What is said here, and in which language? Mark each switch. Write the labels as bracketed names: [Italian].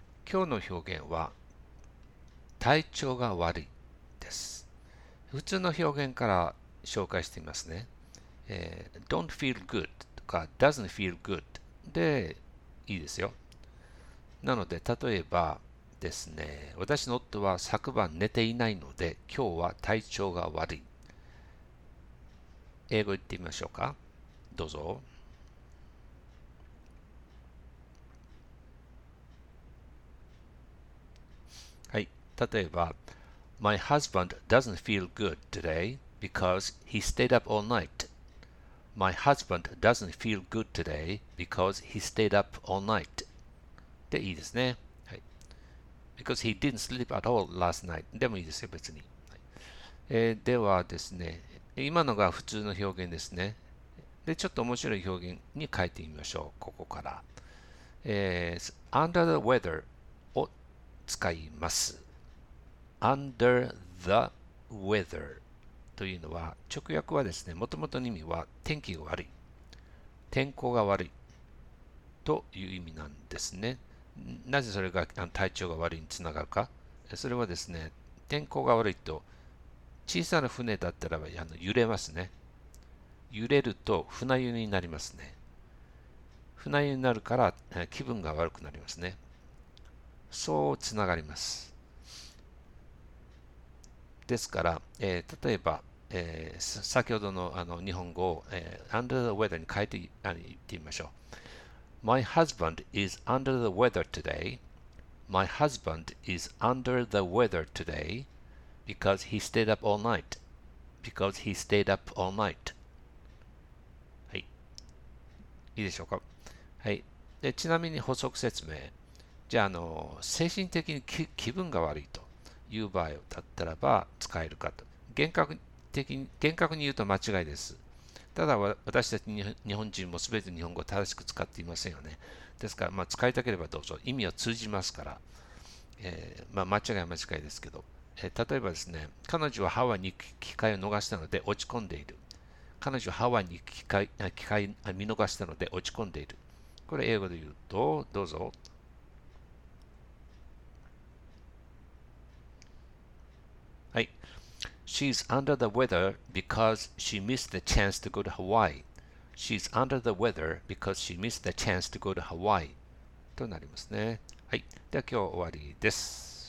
[Japanese] 今日の表現は体調が悪いです。普通の表現から紹介してみますね。 [English] Don't feel good [Japanese] とか [English] Doesn't feel good [Japanese] でいいですよ。なので例えばですね、私の夫は昨晩寝ていないので今日は体調が悪い。英語言ってみましょうか。どうぞ。はい、例えば [English] My husband doesn't feel good today because he stayed up all night. My husband doesn't feel good today because he stayed up all night. [Japanese] でいいですね、はい、 [English] Because he didn't sleep at all last night. [Japanese] でもいいですよ、別に、はい。ではですね、今のが普通の表現ですね。でちょっと面白い表現に変えてみましょう。ここから、Under the weather使います。 Under the weather というのは直訳はですね、もともとの意味は天気が悪い、天候が悪いという意味なんですね。なぜそれが体調が悪いにつながるか。それはですね、天候が悪いと小さな船だったらば揺れますね。揺れると船酔いになりますね。船酔いになるから気分が悪くなりますね。そうつながります。ですから、例えば、先ほど の日本語を、under the weather に変えて言ってみましょう。 [English] My husband is under the weather today. My husband is under the weather today because he stayed up all night. Because he stayed up all night. [Japanese] はい。いいでしょうか。はい。でちなみに補足説明。じゃあ、精神的に気分が悪いという場合だったらば使えるかと。厳格に言うと間違いです。ただ、私たち日本人もすべて日本語を正しく使っていませんよね。ですから、使いたければどうぞ。意味は通じますから。間違いは間違いですけど。例えばですね、彼女はハワイに行く機会を逃したので落ち込んでいる。彼女はハワイに行く機会を見逃したので落ち込んでいる。これ英語で言うと、どうぞ。はい、 [English] She's under the weather because she missed the chance to go to Hawaii. She's under the weather because she missed the chance to go to Hawaii. [Japanese] となりますね。はい、では今日は終わりです。